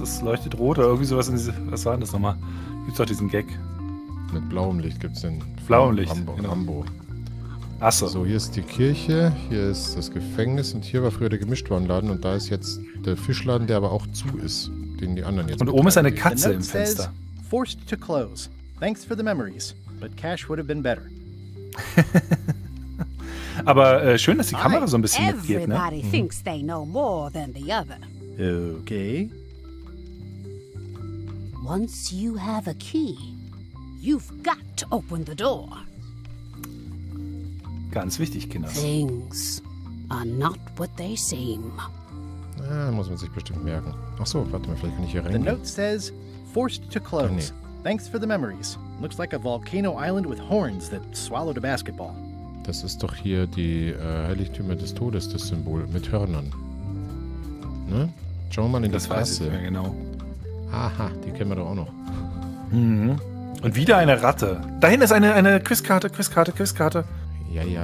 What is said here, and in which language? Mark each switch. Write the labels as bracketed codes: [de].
[de] Es leuchtet rot oder irgendwie sowas in diese, was war denn das nochmal? Gibt's doch diesen Gag. Mit blauem Licht gibt's den. Blauem Licht, Rambo. Achso. So, hier ist die Kirche, hier ist das Gefängnis und hier war früher der Gemischtwarenladen und da ist jetzt der Fischladen, der aber auch zu ist, den die anderen jetzt... Und oben ist eine Katze im Fenster. [en] Forced to close. Thanks for the memories, but cash would have been better. [de] Aber schön, dass die Kamera so ein bisschen mitgeht, ne? [en] Everybody thinks they know more than the other. Okay. Once you have a key, you've got to open the door. [de] Ganz wichtig, Kinder. [en] Things are not what they seem. [de] Na, muss man sich bestimmt merken. Ach so, warte mal, vielleicht kann ich hier rein. [en] The note says, forced to close. Nee. Thanks for the memories. Looks like a volcano island with horns that swallowed a basketball. [de] Das ist doch hier die Heiligtümer des Todes, das Symbol mit Hörnern. Ne? Schauen wir mal in das die Kasse. Ja, genau. Aha, die kennen wir doch auch noch. Mhm. Und wieder eine Ratte. Da hinten ist eine Quizkarte. Ja, ja.